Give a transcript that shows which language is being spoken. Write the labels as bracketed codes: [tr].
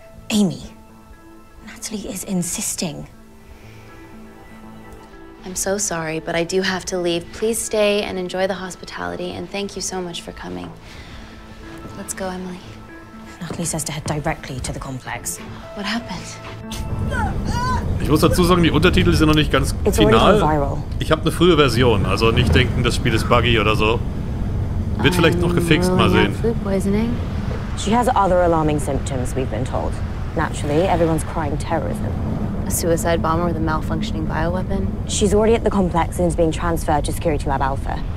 [en] Amy, Natalie is insisting. I'm so sorry, but I do have to leave. Please stay and enjoy the hospitality, and thank you so much for coming. Let's go, Emily. Natalie says to head directly to the complex. What happened? [de] Ich muss dazu sagen, die Untertitel sind noch nicht ganz final. Ich habe eine frühe Version, also nicht denken, das Spiel ist buggy oder so. Wird vielleicht noch gefixt, mal sehen. [en] She has other alarming symptoms, we've been told. Naturally, everyone's crying terrorism. A suicide bomber with a malfunctioning bioweapon? She's already at the complex and is being transferred to Security Lab Alpha.